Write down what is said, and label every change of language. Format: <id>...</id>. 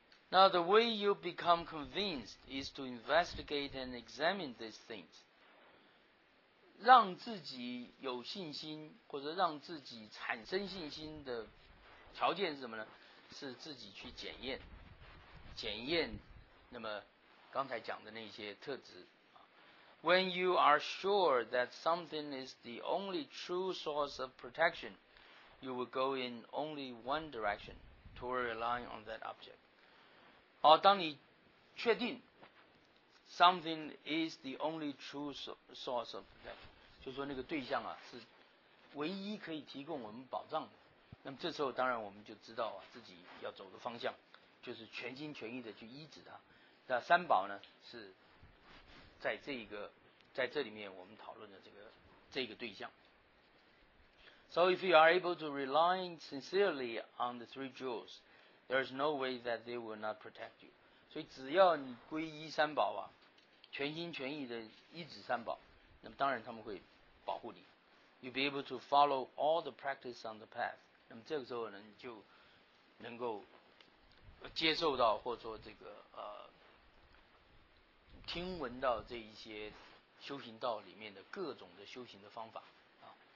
<en>Now the way you become convinced is to investigate and examine these things。</en> <zh>让自己有信心，或者让自己产生信心的条件是什么呢？是自己去检验，那么刚才讲的那些特质。</zh> <en>When you are sure that something is the only true source of protection, you will go in only one direction toward relying on that object.</en> <zh>好，当你确定</zh> <en>something is the only true source of protection，</en> <zh>就说那个对象啊是唯一可以提供我们保障的，那么这时候当然我们就知道啊自己要走的方向就是全心全意的去依止它。那三宝呢是在这里面我们讨论的这个对象。</zh> <en>So if you are able to rely sincerely on the three jewels, there is no way that they will not protect you.</en> <zh>所以只要你皈依三宝啊，全心全意的依止三宝，那么当然他们会保护你。</zh> <en>You'll be able to follow all the practice on the path.</en> <zh>那么这个时候呢，你就能够接受到或者说这个听闻到这一些修行道里面的各种的修行的方法啊。</zh>